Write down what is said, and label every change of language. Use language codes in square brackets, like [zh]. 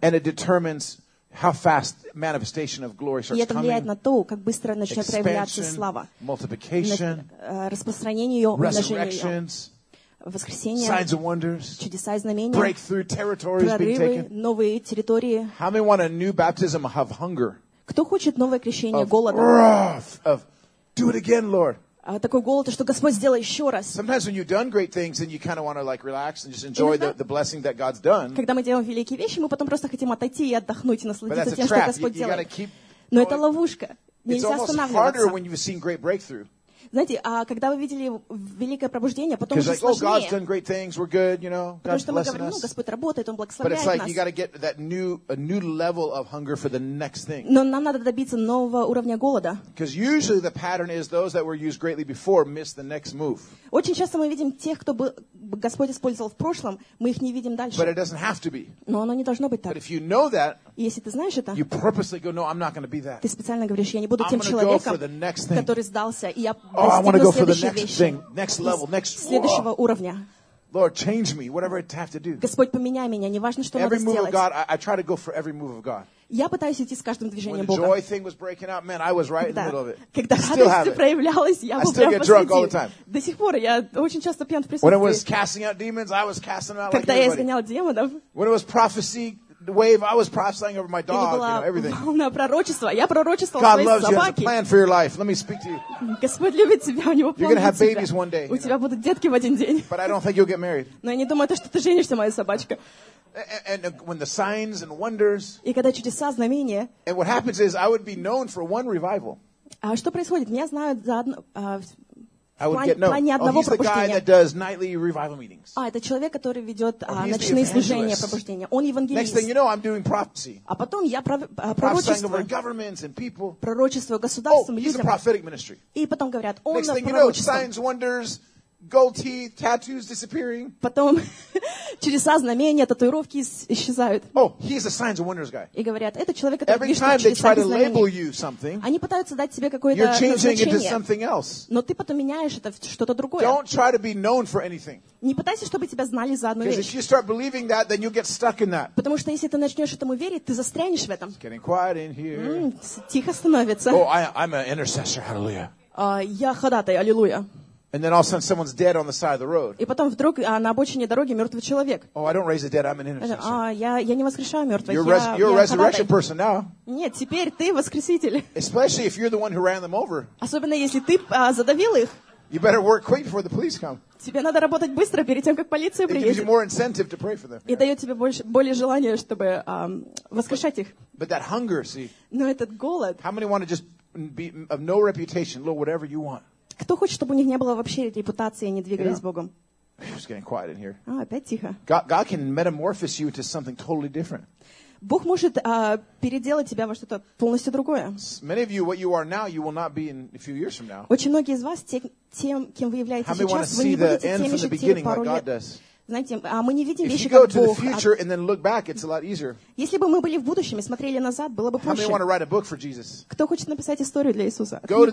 [en] And it determines How fast manifestation of glory starts coming. [ru] И это влияет на то, как быстро начнет проявляться слава. [en] Multiplication. [ru] Распространение ее, умножение ее. Воскресение. [en] Signs and wonders. [ru] Чудеса и знамения. [en] Breakthrough territories being taken. [ru] Прорывы, новые территории. [en] How many want a new baptism of hunger? [ru] Кто хочет новое крещение голода? [en] Of do it again, Lord. [ru] Такой голод, что Господь сделает еще раз. [en] Sometimes when you've done great things, then you kind of want to like relax and just enjoy the blessing that God's done. [ru] Когда мы делаем великие вещи, мы потом просто хотим отойти и отдохнуть и насладиться тем, что Господь делает. Но это ловушка. Нельзя останавливаться. [en] It's almost harder when you've seen great breakthrough. [ru] Знаете, а когда вы видели великое пробуждение, потом уже сложнее. [en] Like, oh, God's done great things, we're good, you know. [ru] Потому что мы говорим, ну, Господь работает, Он благословляет нас. [en] But it's like you got to get that new, a new level of hunger for the next thing. [ru] Но нам надо добиться нового уровня голода. [en] Because usually the pattern is those that were used greatly before miss the next move. [ru] Очень часто мы видим тех, кто Господь использовал в прошлом, мы их не видим дальше. [en] But it doesn't have to be. [ru] Но оно не должно быть так. [en] But if you know that, [ru] если ты знаешь это, [en] you purposely go, no, I'm not going to be that. [ru] Ты специально говоришь, я не буду [en] I'm [ru] тем человеком, который сдался, и я Oh, [en] I want to go for the next thing, next level, next [ru] следующего уровня. [en] Lord, change me, whatever I have to do. [ru] Господь, поменяй меня, неважно, что [en] every [ru] надо сделать. [en] God, I try to go for every move of God. [ru] Я пытаюсь идти с каждым движением [en] When [ru] Бога. [en] Joy thing was breaking out, man, I was right in the middle of it. [ru] Когда радость проявлялась, я [en] I still get drunk all the time. [ru] До сих пор я очень часто пьян в присутствии. [en] When I was casting out demons, I was casting out [ru] Когда [en] like [ru] я изгонял демонов. [en] When it was prophecy wave, I was prophesying over my dog, you know, everything. [ru] Волна пророчества. Я пророчествовал [en] God loves [ru] собаки. [en] You, has a plan for your life. Let me speak to you. [ru] Господь любит тебя, у него [en] You're going to have babies one day. [ru] У тебя будут детки в один день. [en] But I don't think you'll get married. [ru] Но я не думаю, что ты женишься, моя собачка. [en] And when the signs and wonders, [ru] и когда чудеса, знамения, [en] and what happens is I would be known for one revival. [ru] А что происходит? Меня знают за одно... [en] I would get known. No. Oh, he's the guy that does nightly revival meetings. [ru] А это человек, который ведет ночные служения пробуждения. Он евангелист. [en] Next thing you know, I'm doing prophecy. [ru] А потом я пророчествую. [en] Prophesying over governments and people. [ru] Пророчествую государствам, людям. [en] Oh, he's a prophetic ministry. [ru] И потом говорят, он [en] Next thing you know, signs, wonders, gold teeth, tattoos disappearing. [ru] Потом чудеса, знамения, татуировки исчезают. [en] Oh, he's a signs and wonders guy. [ru] И говорят, это человек, который [en] Every time they try to label you something, [ru] они пытаются дать тебе какое-то [en] you're changing [ru] назначение. [en] Into something else. [ru] Но ты потом меняешь это в что-то другое. [en] Don't try to be known for anything. [ru] Не пытайся, чтобы тебя знали за одну вещь. [en] Because if you start believing that, then you'll get stuck in that. [ru] Потому что если ты начнешь этому верить, ты застрянешь в этом. [en] It's getting quiet in here. [ru] Тихо становится. [en] Oh, I'm an intercessor. Hallelujah. [ru] Я ходатай. Аллилуйя. [en] And then all of a sudden, someone's dead on the side of the road. [ru] И потом вдруг на обочине дороги мертвый человек. [en] Oh, I don't raise the dead. I'm an intercessor. [ru] Я не воскрешаю мертвых. [en] You're a resurrection person now. [ru] Нет, теперь ты воскреситель. [en] Especially if you're the one who ran them over. [ru] Особенно если ты задавил их. [en] You better work quick before the police come. [ru] Тебе надо работать быстро перед тем, как полиция приедет. [en] It gives you more incentive to pray for them. [ru] И дает тебе более желание, чтобы воскрешать их. [en] But that hunger, see. [ru] Но этот голод. [en] How many want to just be of no reputation, Lord, whatever you want? [ru] Кто хочет, чтобы у них не было вообще репутации, они двигались с Богом? [en] It's getting quiet in here. [ru] Опять тихо. [en] God can metamorphose you into something totally different. [ru] Бог может переделать тебя во что-то полностью другое. [en] Many of you, what you are now, you will not be in a few years from now. [ru] Очень многие из вас тем, кем вы являетесь сейчас, вы не будете теми же через пару лет. Знаете, мы не видим вещи, как Бог. Если бы мы были в будущем и смотрели назад, было бы проще. Кто хочет написать историю для Иисуса?